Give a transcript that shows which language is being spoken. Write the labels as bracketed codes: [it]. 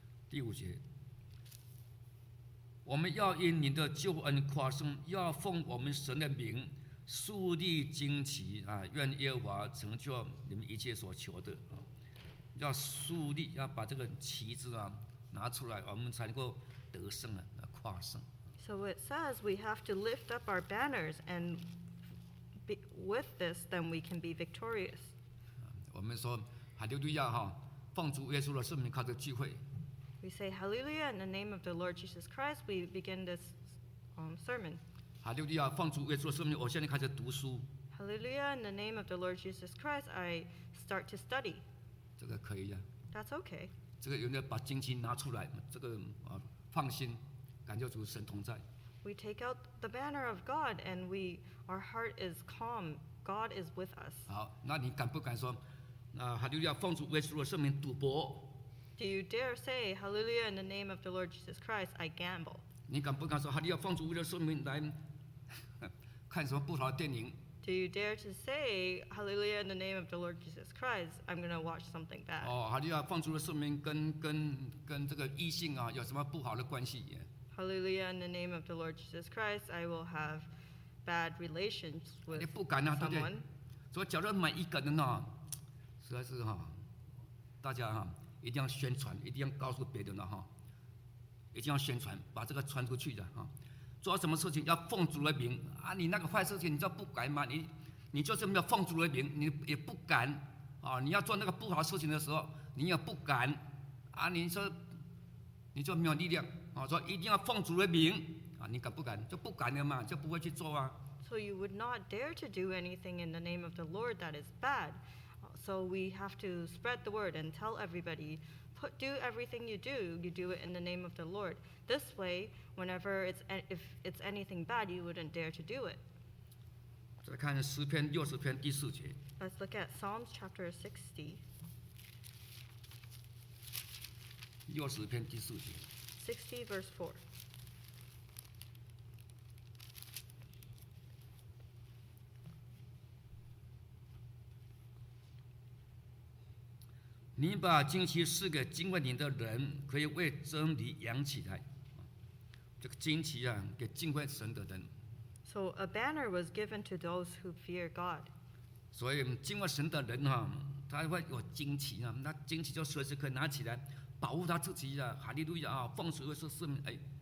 [zh] 第五节，我们要因您的救恩夸颂，要奉我们神的名竖立旌旗啊！愿耶和华成就你们一切所求的啊！要竖立，要把这个旗帜啊拿出来，我们才能够得胜啊，夸胜。 [en] So it says we have to lift up our banners, and with this, then we can be victorious. [zh] 我们说哈利路亚哈，奉主耶稣的圣名开这聚会。 [en] We say Hallelujah in the name of the Lord Jesus Christ. We begin this sermon. [zh] 哈利路亚，奉主耶稣的圣名，我现在开始读书。 [en] Hallelujah in the name of the Lord Jesus Christ. I start to study. [zh] 这个可以呀。 [en] That's okay. [zh] 这个有没有把旌旗拿出来？这个啊，放心。感觉主神同在。 [en] We take out the banner of God, and our heart is calm. God is with us. [zh] 好，那你敢不敢说，那哈利路亚奉主耶稣的圣名赌博 [en] ？Do you dare say Hallelujah in the name of the Lord Jesus Christ? I gamble. [zh] 你敢不敢说哈利路亚奉主耶稣的圣名来看什么不好的电影 [en] ？Do you dare to say Hallelujah in the name of the Lord Jesus Christ? I'm going to watch something bad. [zh] 哦，哈利路亚奉主的圣名跟这个异性啊有什么不好的关系？ [en] Hallelujah, in the name of the Lord Jesus Christ, I will have bad relations with someone. [zh] 你不敢啊，对不对？所以，假如每一个人啊，实在是哈，大家哈，一定要宣传，一定要告诉别人了哈，一定要宣传，把这个传出去的哈。做什么事情要奉主的名啊？你那个坏事情，你就不敢吗？你就是没有奉主的名，你也不敢啊。你要做那个不好的事情的时候，你也不敢啊。你说，你就没有力量。啊，说一定要奉主的名啊！你敢不敢？就不敢了嘛，就不会去做啊。 [en] So you would not dare to do anything in the name of the Lord that is bad. So we have to spread the word and tell everybody, do everything you do it in the name of the Lord. This way, whenever if it's anything bad, you wouldn't dare to do it. [zh] 再看诗篇六十篇第四节。 [en] Let's look at Psalms chapter 60. [zh] 六十篇第四节。 [en] 60 verse 4. [zh] 你把旌旗赐给敬畏你的人，可以为真理扬起来。这个旌旗啊，给敬畏神的人。 [en] So a banner was given to those who fear God. [zh] 所以敬畏神的人啊，他会有旌旗啊，那旌旗就随时可以拿起来。保护他自己的哈利路亚啊！奉主耶稣圣名，哎，